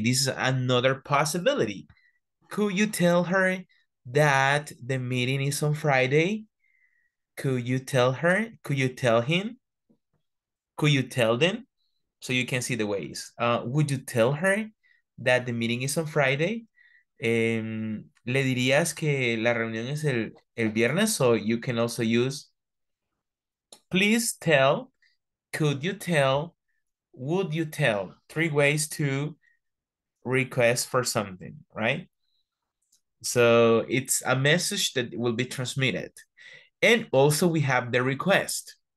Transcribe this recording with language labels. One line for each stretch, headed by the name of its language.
English: This is another possibility. Could you tell her that the meeting is on Friday? Could you tell her? Could you tell him? Could you tell them? So you can see the ways. Would you tell her that the meeting is on Friday?
Spanish: Le dirías que la reunión es el viernes?
English: So you can also use, please tell, could you tell, would you tell? Three ways to request for something, right? So it's a message that will be transmitted. And also we have the request.